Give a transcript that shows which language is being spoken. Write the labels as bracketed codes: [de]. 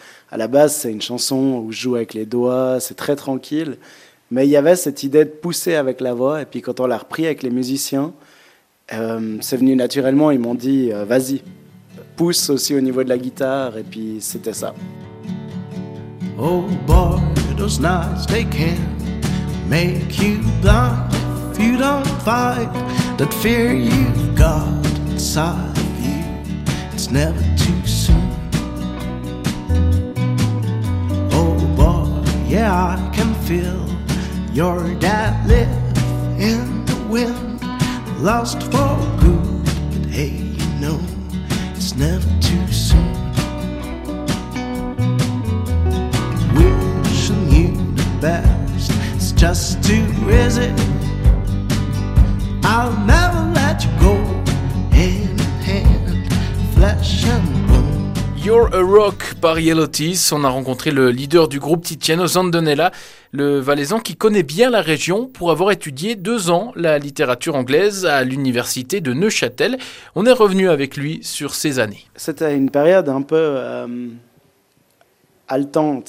[fr] À la base, c'est une chanson où je joue avec les doigts, c'est très tranquille. Mais il y avait cette idée de pousser avec la voix. Et puis quand on l'a repris avec les musiciens, c'est venu naturellement. Ils m'ont dit, vas-y, pousse aussi au niveau de la guitare. Et puis c'était ça. [en] Oh boy, those nights they can make you blind if you don't fight. That fear you've got inside of you, it's never too soon. Oh boy, yeah, I can feel your dad live in the wind, lost for good, but hey, you know, it's never too soon. Wishing you the best, it's just too easy. I'll never let you go, hand in hand, flesh and bone. [fr] You're a Rock par Yellow Teeth. On a rencontré le leader du groupe Tiziano Zandonella, le Valaisan qui connaît bien la région pour avoir étudié 2 ans la littérature anglaise à l'université de Neuchâtel. On est revenu avec lui sur ces années. C'était une période un peu haletante.